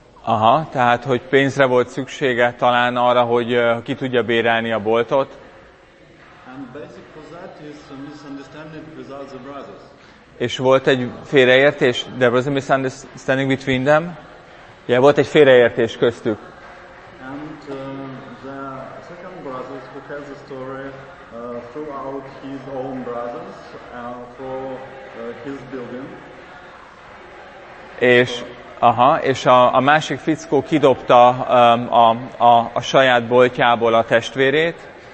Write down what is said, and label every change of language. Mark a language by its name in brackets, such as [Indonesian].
[Hungarian] Aha, tehát hogy pénzre volt szüksége talán arra, hogy ki tudja bérelni a boltot. És volt egy félreértés, [English] there was a misunderstanding between them. [Hungarian] Yeah, volt egy félreértés köztük. [English] And the second brother who tells the story threw out his own brothers for his building. [Hungarian] És aha, és a másik fickó kidobta a saját boltjából a testvérét.